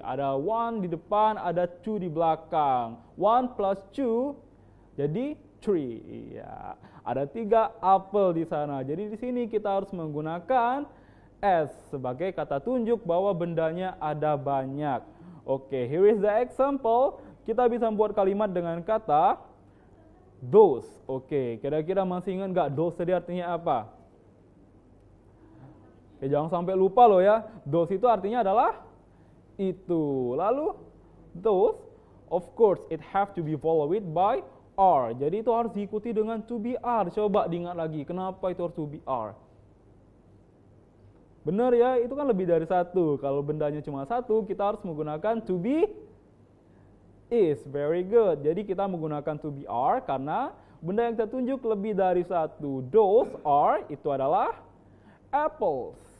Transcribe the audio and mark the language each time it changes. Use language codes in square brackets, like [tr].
[id] Ada one di depan, ada two di belakang. One plus two, jadi three. Iya. Ada tiga apel di sana. Jadi di sini kita harus menggunakan S sebagai kata tunjuk bahwa bendanya ada banyak. [en] Oke, okay, here is the example. [id] Kita bisa membuat kalimat dengan kata those. Oke, okay, kira-kira masih ingat nggak those tadi artinya apa? Okay, jangan sampai lupa loh ya. Those itu artinya adalah itu. [en] Lalu those, of course, it have to be followed by are. [id] Jadi itu harus diikuti dengan to be are. Coba diingat lagi, kenapa itu harus to be are? Benar ya, itu kan lebih dari satu. Kalau bendanya cuma satu, kita harus menggunakan to be is. [en] Very good. [id] Jadi kita menggunakan to be are karena benda yang kita tunjuk lebih dari satu. Those are, itu adalah apples.